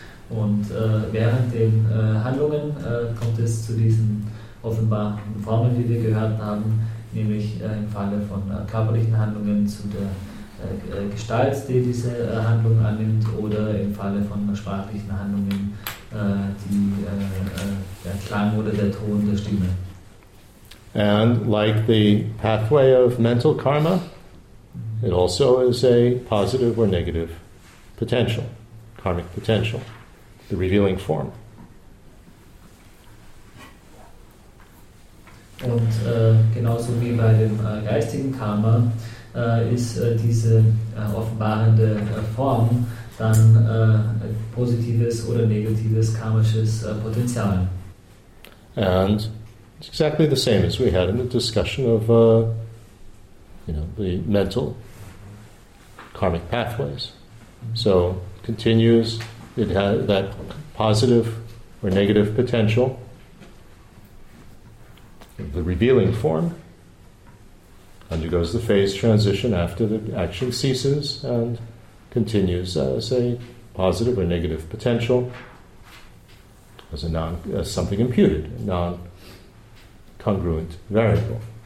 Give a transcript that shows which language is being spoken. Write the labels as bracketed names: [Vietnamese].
[German] Und während den Handlungen kommt es zu diesen offenbaren Formen, die wir gehört haben, nämlich im Falle von körperlichen Handlungen zu der Gestalt, die diese Handlung annimmt, oder im Falle von sprachlichen Handlungen, die der Klang oder der Ton der Stimme. [English] And like the pathway of mental karma, it also is a positive or negative potential, karmic potential, the revealing form. [German] Und genauso wie bei dem geistigen Karma ist diese offenbarende Form dann positives oder negatives karmisches Potenzial. [English] And it's exactly the same as we had in the discussion of the mental karmic pathways. So continues, it has that positive or negative potential, the revealing form, undergoes the phase transition after the action ceases and continues as a positive or negative potential, as a non, as something imputed, non-congruent variable.